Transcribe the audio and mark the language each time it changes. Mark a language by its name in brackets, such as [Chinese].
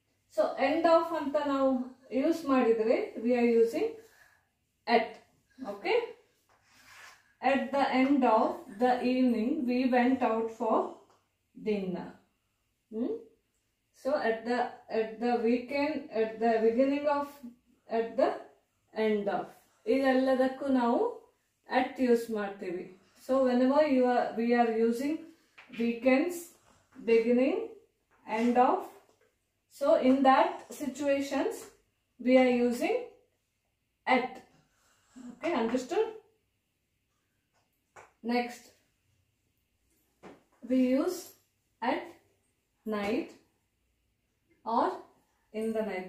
[English] So, end of [Kannada] anta naavu use maadidre, [English] we are using at. Okay. At the end of the evening, we went out for dinner. So, at the weekend, at the beginning of, at the end of. [Kannada] ಇದೆಲ್ಲದಕ್ಕೂ ನಾವು at use ಮಾಡ್ತೀವಿ. [English] So, whenever we are using weekends, beginning, end of. So, in that situations, we are using at. Okay, understood? Next, we use at night or in the night.